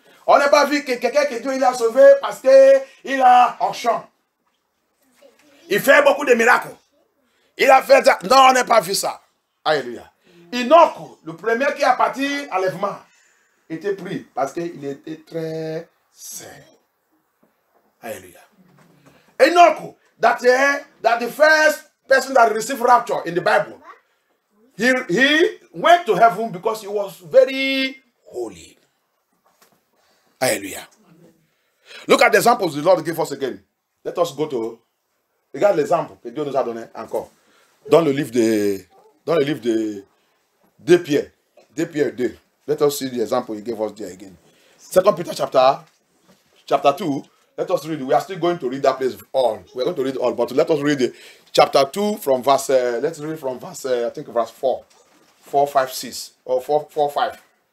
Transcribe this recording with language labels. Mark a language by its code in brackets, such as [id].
[fr] On n'a pas vu que quelqu'un que Dieu il a sauvé parce qu'il a un champ. Il fait beaucoup de miracles. Il a fait ça. Non, on n'a pas vu ça. Alléluia. Enoch, le premier qui a parti à l'enlèvement, était pris parce qu'il était très saint. Alléluia. [en] Enoch, that the first person that received rapture in the Bible, he went to heaven because he was very holy. Alléluia. Look at the examples the Lord gave us again. Let us go to. [fr] Regarde l'exemple que Dieu nous a donné encore. Dans le livre de 2 Pierre. 2 Pierre 2. [en] Let us see the example he gave us there again. 2 Peter chapter 2. Let us read. We are still going to read that place all. We are going to read all. But let us read chapter 2 from verse. Let's read from verse. I think verse 4. 4, 5, 6. Or 4, 4 5.